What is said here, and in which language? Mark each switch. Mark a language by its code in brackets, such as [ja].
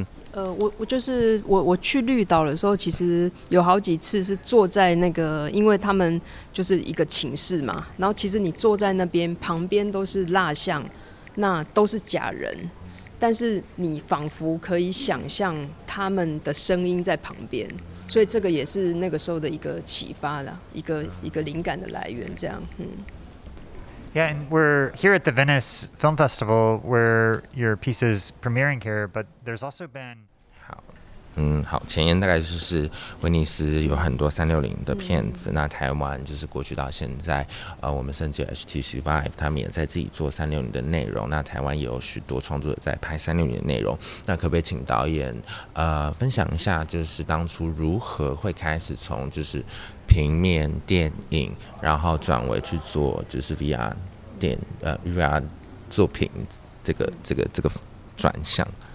[zh] 我去绿岛的时候，其实有好几次是坐在那个，因为他们就是一个寝室嘛，然后其实你坐在那边旁边都是蜡像，那都是假人，但是你仿佛可以想象他们的声音在旁边，所以这个也是那个时候的一个启发啦，一个灵感的来源这样。 [en] Yeah, and we're here at the Venice Film Festival where your piece is premiering here, but there's also been... [zh] 好，前言大概就是威尼斯有很多360的片子，那台湾就是过去到现在我们甚至有 HTC Vive 他们也在自己做360的内容，那台湾也有许多创作者在拍360的内容，那可不可以请导演分享一下，就是当初如何会开始从就是平面电影，然后转为去做就是 VR 电VR 作品这个转向。